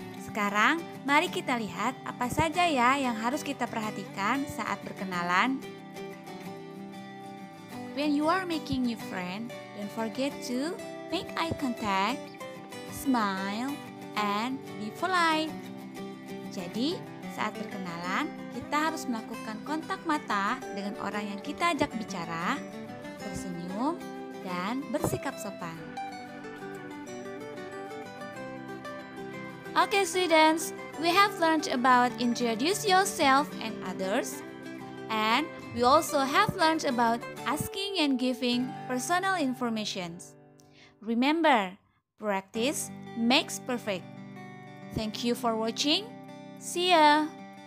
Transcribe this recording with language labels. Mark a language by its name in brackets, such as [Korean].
[Indonesian] Sekarang, mari kita lihat apa saja ya yang harus kita perhatikan saat berkenalan. [English] When you are making new friend, don't forget to make eye contact. Smile and be polite. [Indonesian] Jadi, Saat berkenalan, kita harus melakukan kontak mata dengan orang yang kita ajak bicara, tersenyum, dan bersikap sopan. [English] Okay, students, we have learned about introduce yourself and others, and we also have learned about asking and giving personal information. Remember, practice makes perfect. Thank you for watching. See ya!